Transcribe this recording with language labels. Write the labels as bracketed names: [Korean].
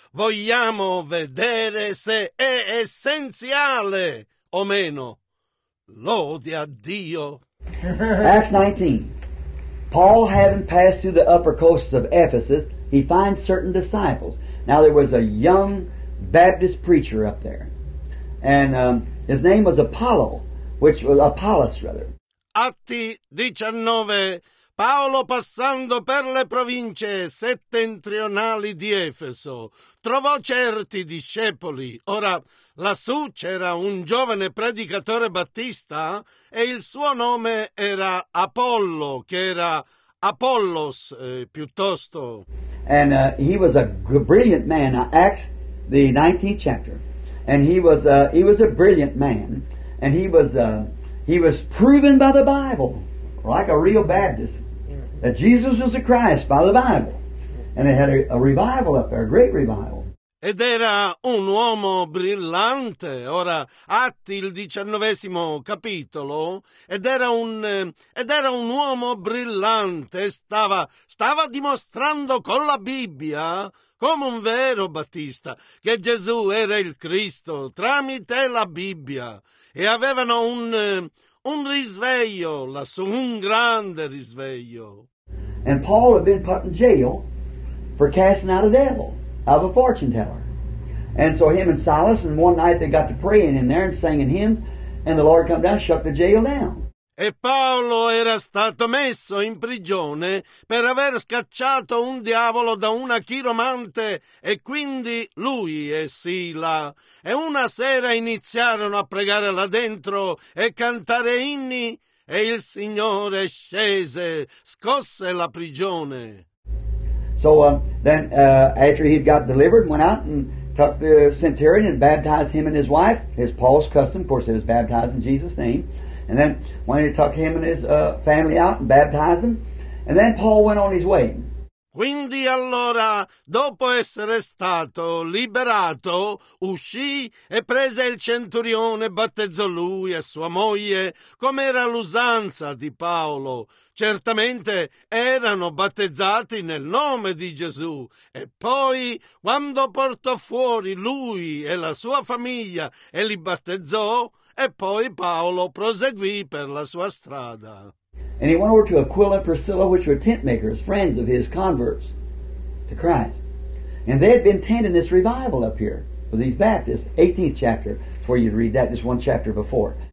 [Italian] Vogliamo vedere se è essenziale o meno. Lode a Dio. [English] Acts 19. Paul, having passed through the upper coasts of Ephesus, he finds certain disciples. Now there was a young Baptist preacher up there, and his name was Apollo, which was Apollos rather. [Italian] Atti 19. Paolo, passando per le province settentrionali di Efeso, trovò certi discepoli. Ora, lassù c'era un giovane predicatore battista e il suo nome era Apollo, che era Apollos piuttosto. [English] And he was a brilliant man. Acts, the 19th chapter. And he was a brilliant man. And he was proven by the Bible, like a real Baptist, that Jesus was the Christ by the Bible. And they had a revival up there, a great revival. [Italian] Ed era un uomo brillante, ora Atti il 19° capitolo, ed era un uomo brillante, stava dimostrando con la Bibbia, come un vero battista, che Gesù era il Cristo tramite la Bibbia, e avevano un risveglio lassù, un grande risveglio. [English] And Paul had been put in jail for casting out a devil of a fortune teller. And so him and Silas, and one night they got to praying in there and singing hymns, and the Lord come down and shut the jail down. [Italian] E Paolo era stato messo in prigione per aver scacciato un diavolo da una chiromante, e quindi lui e Sila. E una sera iniziarono a pregare là dentro e cantare inni, e il Signore scese, scosse la prigione. [English] So after he'd got delivered, went out and took the centurion and baptized him and his wife, as Paul's custom. Of course, it was baptized in Jesus' name. And then when he took him and his family out and baptized them, and then Paul went on his way. [Italian] Quindi allora, dopo essere stato liberato, uscì e prese il centurione, battezzò lui e sua moglie, come era l'usanza di Paolo. Certamente erano battezzati nel nome di Gesù. E poi, quando portò fuori lui e la sua famiglia e li battezzò, e poi Paolo proseguì per la sua strada. [English] And he went over to Aquila and Priscilla, which were tent makers, friends of his converts to Christ. And they had been tending this revival up here for these Baptists, 18th chapter, where you'd read that, just one chapter before.